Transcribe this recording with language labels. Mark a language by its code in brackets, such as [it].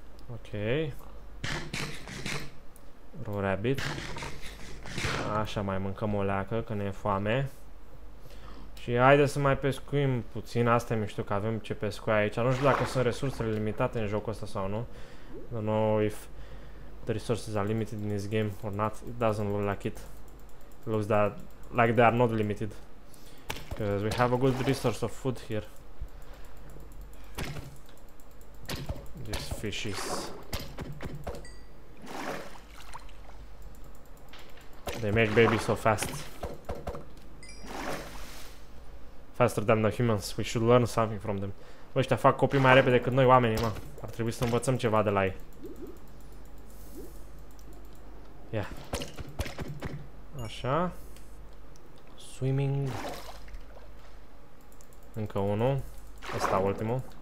[en] Ok. Raw rabbit. [ro] Așa, mai mâncăm o leacă, că ne e foame. Și haide să mai pescuim puțin, asta e mișto, că avem ce pescui aici. Nu știu dacă sunt resursele limitate în jocul ăsta sau nu. [en] I don't know if the resources are limited in this game or not. It doesn't look like it. It looks that, like they are not limited. Because we have a good resource of food here. These fishes. They make babies so fast. Faster than the humans, we should learn something from them. [ro] Bă, ăștia fac copii mai repede decât noi oamenii, mă. Ar trebui să învățăm ceva de la ei. Ia. [en] Yeah. [ro] Așa. Swimming. Încă unul. Ăsta ultimul.